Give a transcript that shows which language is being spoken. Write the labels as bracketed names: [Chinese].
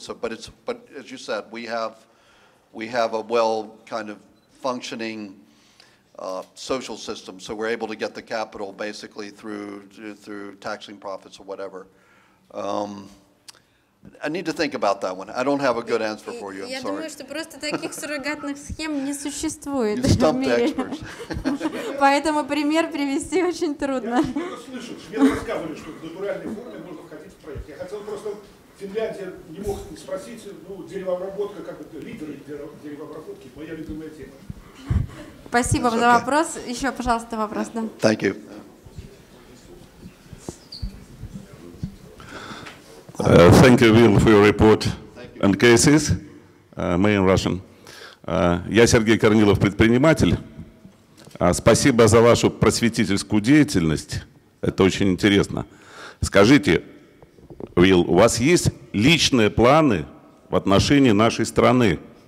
[English] So, but as you said, we have a well kind of functioning social system. So we're able to get the capital basically through taxing profits or whatever. I need to think about that one. I don't have a good answer for you. I'm sorry. [Russian] Я думаю, что просто таких суррогатных схем не существует. [English] You stumped the experts. [Russian] Поэтому пример привести очень трудно. Я слышал, что мне рассказывали, что в натуральной форме можно входить в проект. Я хотел просто... Финляндия не мог спросить, ну, деревообработка, как это, лидеры деревообработки, моя любимая тема. Спасибо за вопрос. Еще, пожалуйста, вопрос. Да. [English] Thank you. Thank you, Will, for your report and cases. [Russian] Мы [English] in Russian. [Russian] Я Сергей Корнилов, предприниматель. Спасибо за вашу просветительскую деятельность. Это очень интересно. Скажите, Will, у вас есть личные планы в отношении нашей страны?